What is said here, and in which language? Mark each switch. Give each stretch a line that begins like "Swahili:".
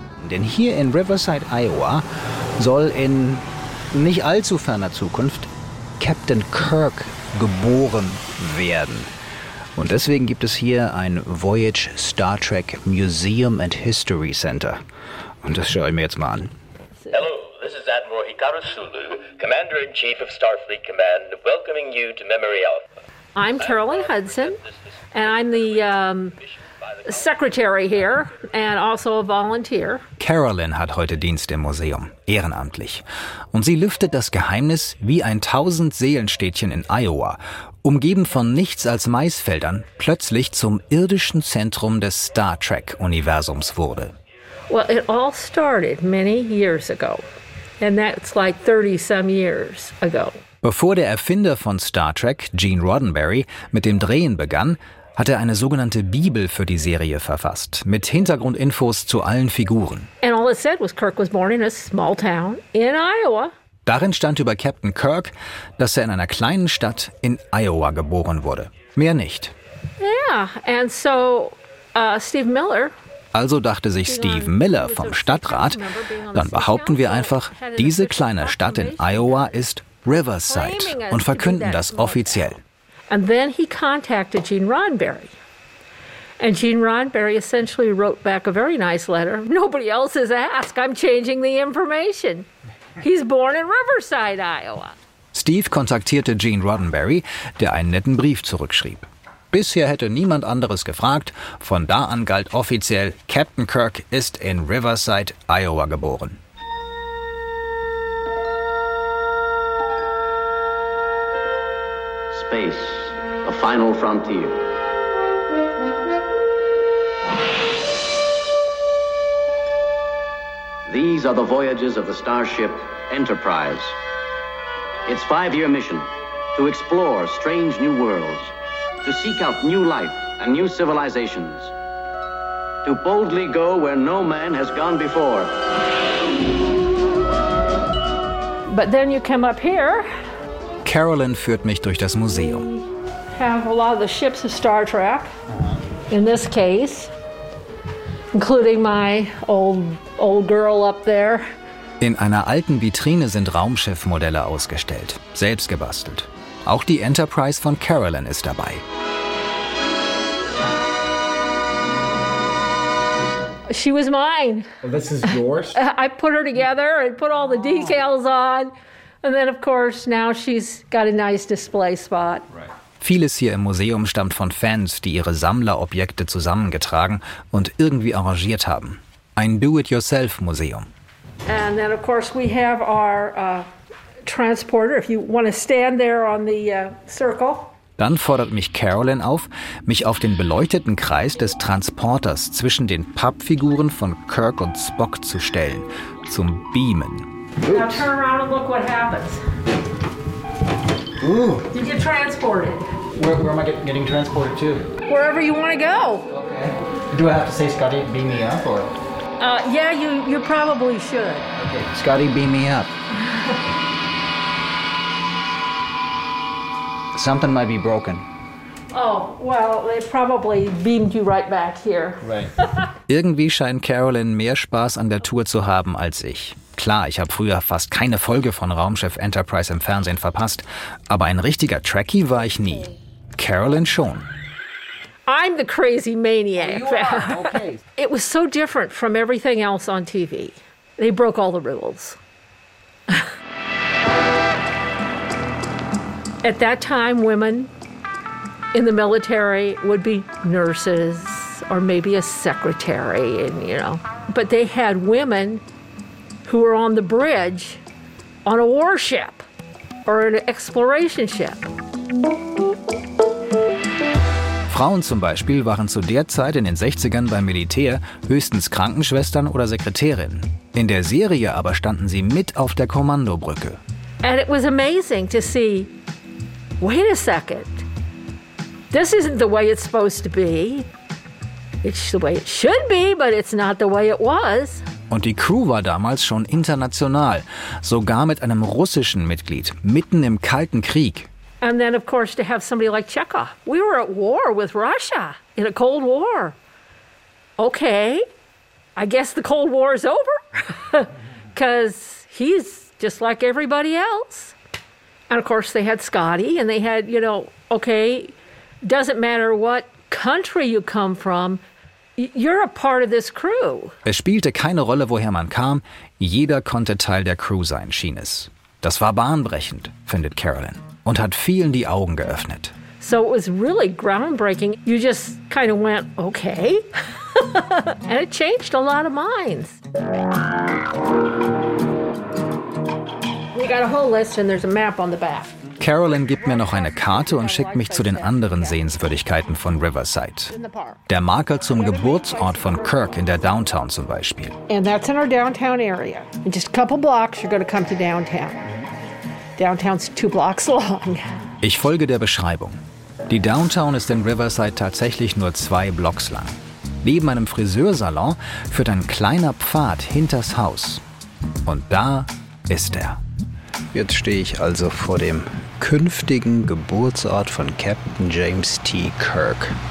German: Denn hier in Riverside, Iowa, soll in nicht allzu ferner Zukunft Captain Kirk geboren werden. Und deswegen gibt es hier ein Voyage Star Trek Museum and History Center. Und das schaue ich mir jetzt mal an.
English: Hello, this is Admiral Hikaru Sulu, Commander-in-Chief of Starfleet Command, welcoming you to Memory Alpha. I'm Carolyn Hudson, and I'm the secretary here and also a volunteer.
German: Carolyn hat heute Dienst im Museum, ehrenamtlich. Und sie lüftet das Geheimnis wie ein 1000-Seelen-Städtchen in Iowa, umgeben von nichts als Maisfeldern, plötzlich zum irdischen Zentrum des Star Trek-Universums wurde.
English: Well, it all started many years ago. And that's like 30-some years ago.
German: Bevor der Erfinder von Star Trek, Gene Roddenberry, mit dem Drehen begann, hat er eine sogenannte Bibel für die Serie verfasst, mit Hintergrundinfos zu allen Figuren.
English: And all it said was Kirk was born in a small town in Iowa.
German: Darin stand über Captain Kirk, dass er in einer kleinen Stadt in Iowa geboren wurde. Mehr nicht.
English: Yeah, and so Steve Miller.
German: Also dachte sich Steve Miller vom Stadtrat, dann behaupten wir einfach, diese kleine Stadt in Iowa ist Riverside und verkünden das offiziell.
English: And then he contacted Gene Roddenberry. And Gene Roddenberry essentially wrote back a very nice letter. Nobody else has asked. I'm changing the information. He's born in Riverside, Iowa.
German: Steve kontaktierte Gene Roddenberry, der einen netten Brief zurückschrieb. Bisher hätte niemand anderes gefragt. Von da an galt offiziell, Captain Kirk ist in Riverside, Iowa geboren.
English: Space, the final frontier. These are the voyages of the starship Enterprise. Its five-year mission, to explore strange new worlds, to seek out new life and new civilizations, to boldly go where no man has gone before. But then you come up here.
German: Carolyn führt mich durch das Museum.
English: We have a lot of the ships of Star Trek, in this case, including my old girl up there.
German: In einer alten Vitrine sind Raumschiffmodelle ausgestellt, selbst gebastelt. Auch die Enterprise von Carolyn ist dabei.
English: She was mine. This is yours? I put her together and put all the details on. And then, of course, now she's got a nice display spot. Right.
German: Vieles hier im Museum stammt von Fans, die ihre Sammlerobjekte zusammengetragen und irgendwie arrangiert haben. Ein Do-it-yourself-Museum.
English: And then, of course, we have our transporter. If you want to stand there on the circle.
German: Dann fordert mich Carolyn auf, mich auf den beleuchteten Kreis des Transporters zwischen den Pappfiguren von Kirk und Spock zu stellen, zum Beamen.
English: Now turn around and look what happens. Ooh. You get transported. Where am I getting transported to? Wherever you want to go. Okay. Do I have to say, Scotty, beam me up, or? Yeah, you probably should. Okay, Scotty, beam me up. Something might be broken. Oh, well, they probably beamed you right back here. Right.
German: Irgendwie scheint Carolyn mehr Spaß an der Tour zu haben als ich. Klar, ich habe früher fast keine Folge von Raumschiff Enterprise im Fernsehen verpasst, aber ein richtiger Trekkie war ich nie. Carolyn schon.
English: I'm the crazy maniac. You are. Okay. It was so different from everything else on TV. They broke all the rules. At that time, women in the military would be nurses or maybe a secretary, and you know. But they had women who were on the bridge on a warship or an exploration ship.
German: Frauen zum Beispiel waren zu der Zeit in den 60ern beim Militär höchstens Krankenschwestern oder Sekretärinnen. In der Serie aber standen sie mit auf der Kommandobrücke.
English: And it was amazing to see. Wait a second. This isn't the way it's supposed to be. It's the way it should be, but it's not the way it was.
German: Und die Crew war damals schon international, sogar mit einem russischen Mitglied, mitten im Kalten Krieg.
English: And then, of course, to have somebody like Chekhov. We were at war with Russia, in a Cold War. Okay, I guess the Cold War is over. Because he's just like everybody else. And of course, they had Scotty, and they had, you know, okay, doesn't matter what country you come from, you're a part of this crew.
German: Es spielte keine Rolle, woher man kam. Jeder konnte Teil der Crew sein, schien es. Das war bahnbrechend, findet Carolyn, und hat vielen die Augen geöffnet.
English: So it was really groundbreaking. You just kind of went, okay. And it changed a lot of minds. We got a whole list and there's a map on the back.
German: Carolyn gibt mir noch eine Karte und schickt mich zu den anderen Sehenswürdigkeiten von Riverside. Der Marker zum Geburtsort von Kirk in der Downtown zum Beispiel.
English: And that's in our downtown area. In just a couple blocks, you're going to come to downtown. Downtown's two blocks long.
German: Ich folge der Beschreibung. Die Downtown ist in Riverside tatsächlich nur zwei Blocks lang. Neben einem Friseursalon führt ein kleiner Pfad hinters Haus. Und da ist er. Jetzt stehe ich also vor dem künftigen Geburtsort von Captain James T. Kirk.